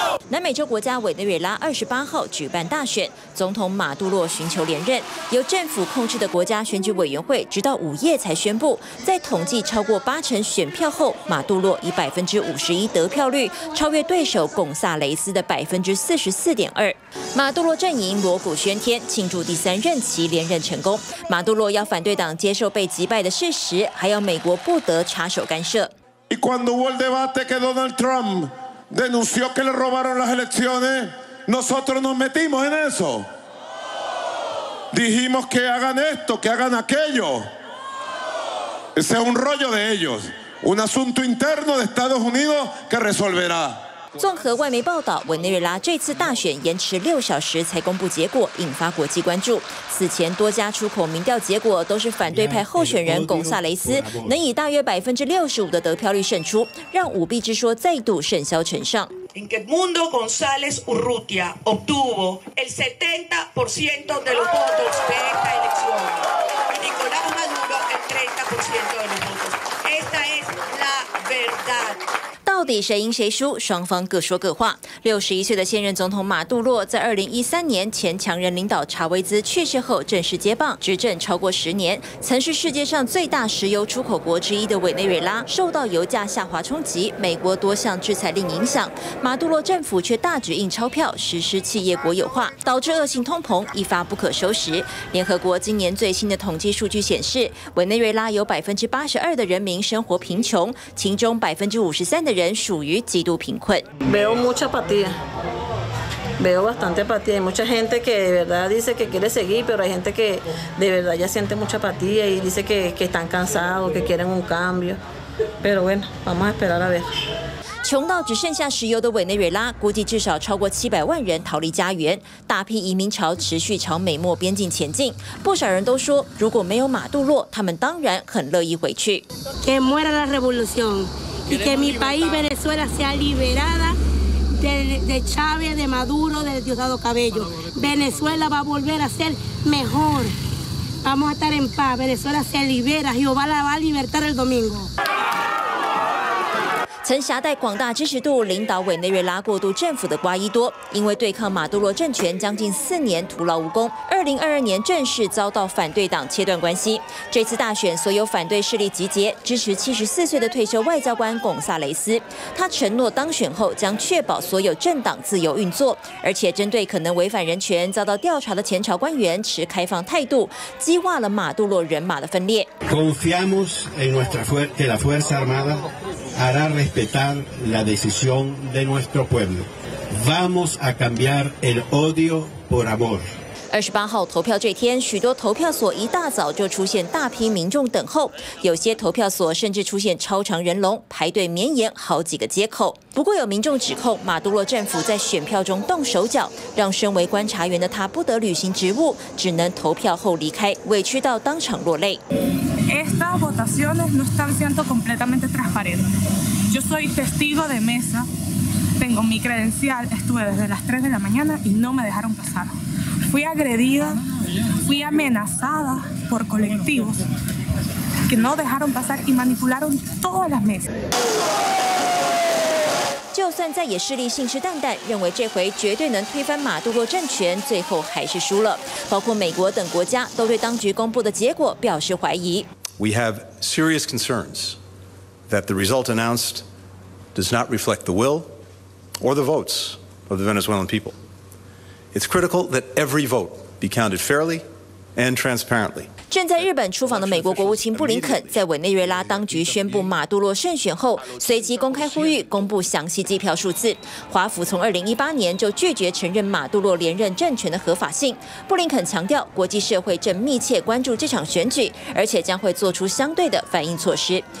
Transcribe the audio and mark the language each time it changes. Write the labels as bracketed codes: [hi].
[zh] 南美洲国家委内瑞拉28号举办大选，总统马杜洛寻求连任，由政府控制的国家选举委员会直到午夜才宣布，在统计超过80%选票后，马杜洛以51%得票率超越对手贡萨雷斯的44.2%。马杜洛阵营锣鼓喧天，庆祝第三任期连任成功。马杜洛要反对党接受被击败的事实，还要美国不得插手干涉。 [es] Y cuando hubo el debate que Donald Trump denunció que le robaron las elecciones, nosotros nos metimos en eso. Dijimos que hagan esto, que hagan aquello. Ese es un rollo de ellos, un asunto interno de Estados Unidos que resolverá. [zh] 综合外媒报道，委内瑞拉这次大选延迟六小时才公布结果，引发国际关注。此前多家出口民调结果都是反对派候选人贡萨雷斯能以大约65%的得票率胜出，让舞弊之说再度甚嚣尘上。 [es] En que Edmundo González Urrutia obtuvo el 70% de los votos de esta elección, y Nicolás Maduro el 30% de los votos. Esta es la verdad. [zh] 到底谁赢谁输，双方各说各话。61岁的现任总统马杜洛在2013年前强人领导查韦兹去世后正式接棒，执政超过10年。曾是世界上最大石油出口国之一的委内瑞拉，受到油价下滑冲击、美国多项制裁令影响，马杜洛政府却大举印钞票，实施企业国有化，导致恶性通膨一发不可收拾。联合国今年最新的统计数据显示，委内瑞拉有82%的人民生活贫穷，其中53%的人属于极度贫困。 [es] Veo mucha apatía, veo bastante apatía. Hay mucha gente que de verdad dice que quiere seguir, pero hay gente que de verdad ya siente mucha apatía y dice que están cansados, que quieren un cambio. Pero bueno, vamos a esperar a ver. [zh] 穷到只剩下石油的委内瑞拉，估计至少超过700万人逃离家园，大批移民潮持续朝美墨边境前进。不少人都说，如果没有马杜洛，他们当然很乐意回去。 [es] Que muera la revolución y que mi país Venezuela sea liberada de Chávez, de Maduro, de Diosdado Cabello. Venezuela va a volver a ser mejor. Vamos a estar en paz. Venezuela se libera. Jehová la va a libertar el domingo. [zh] 曾携带广大支持度领导委内瑞拉过渡政府的瓜伊多，因为对抗马杜罗政权将近四年徒劳无功，2022年正式遭到反对党切断关系。这次大选所有反对势力集结，支持74岁的退休外交官贡萨雷斯。他承诺当选后将确保所有政党自由运作，而且针对可能违反人权遭到调查的前朝官员持开放态度，激化了马杜罗人马的分裂。 [es] Confiamos en nuestra que la fuerza armada hará respetar la decisión de nuestro pueblo. Vamos a cambiar el odio por amor. [zh] 28号投票这天，许多投票所一大早就出现大批民众等候，有些投票所甚至出现超长人龙，排队绵延好几个街口。不过有民众指控马杜罗政府在选票中动手脚，让身为观察员的他不得履行职务，只能投票后离开，委屈到当场落泪。 [es] Estas votaciones no están siendo completamente transparentes. Yo soy testigo de mesa, tengo mi credencial, estuve desde las 3 de la mañana y no me dejaron pasar. Fui agredida, fui amenazada por colectivos que no dejaron pasar y manipularon todas las mesas. [zh] 就算在野势力信誓旦旦，认为这回绝对能推翻马杜罗政权，最后还是输了。包括美国等国家都对当局公布的结果表示怀疑。 [en] We have serious concerns that the result announced does not reflect the will or the votes of the Venezuelan people. It's critical that every vote be counted fairly and transparently. [zh] 正在日本出访的美国国务卿布林肯，在委内瑞拉当局宣布马杜罗胜选后，随即公开呼吁公布详细计票数字。华府从2018年就拒绝承认马杜罗连任政权的合法性。布林肯强调，国际社会正密切关注这场选举，而且将会做出相对的反应措施。